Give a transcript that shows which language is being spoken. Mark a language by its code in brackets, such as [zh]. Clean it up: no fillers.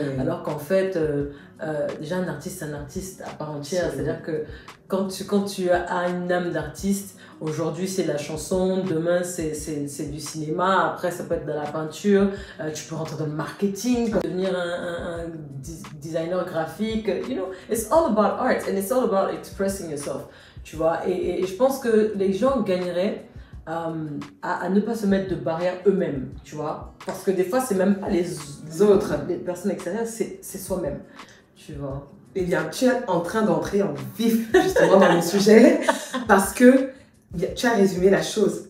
[fr] Alors qu'en fait, déjà, un artiste, c'est un artiste à part entière. C'est-à-dire que quand tu as une âme d'artiste, aujourd'hui, c'est la chanson, demain, c'est du cinéma, après, ça peut être de la peinture, tu peux rentrer dans le marketing, devenir un designer graphique. [en] It's all about art and it's all about expressing yourself, [fr] tu vois. Et je pense que les gens gagneraient à ne pas se mettre de barrières eux-mêmes, tu vois. Parce que des fois, c'est même pas les autres, les personnes extérieures, c'est soi-même, tu vois. Eh bien, tu es en train d'entrer en vif justement dans le sujet parce que tu as résumé la chose.